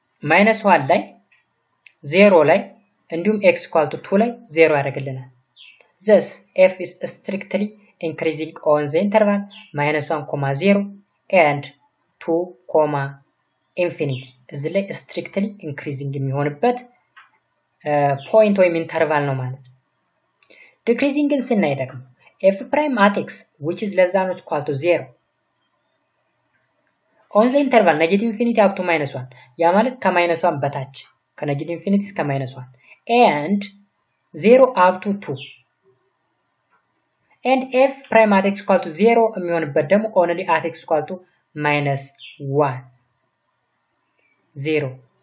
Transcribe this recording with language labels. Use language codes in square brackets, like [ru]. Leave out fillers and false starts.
[am] minus 1 ላይ 0 ላይ እንዲሁም x equal to 2 ላይ 0 ያደርግልናል. [en] thus f is strictly increasing on the interval minus 1, 0 and 2, infinity. [am] እዚህ ላይ strictly increasing የሚሆንበት point ወይም interval ነው ማለት. [en] decreasing ግን ስናይ ደግሞ f prime at x which is less than or equal to 0 on the interval negative infinity up to minus 1, ያ ማለት ከማይነስ 1 በታች ከነጌቲቭ ኢንፊኒቲ እስከ ማይነስ 1 and 0 up to 2 and f prime at x equal to 0 የሚሆንበት ደግሞ only at x equal to minus 1 0